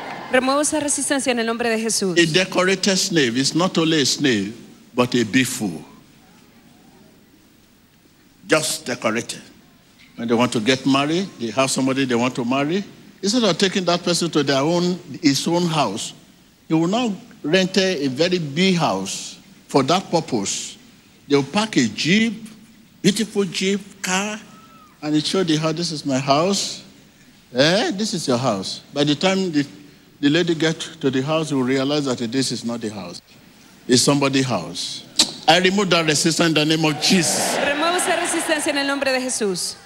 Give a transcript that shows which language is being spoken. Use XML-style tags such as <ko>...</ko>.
<es>Removo esa resistencia en el nombre de Jesús.</es> <en>A decorated snake is not only a snake, but a big fool. Just decorated. When they want to get married, they have somebody they want to marry. Instead of taking that person to his own house, he will now rent a very big house for that purpose. They will pack a jeep, beautiful jeep, car, and it showed her, this is my house. This is your house. By the time the lady get to the house, you realize that this is not the house. It's somebody's house. I remove that resistance in the name of Jesus.</en> <es>Remove esa resistencia en el nombre de Jesús.</es>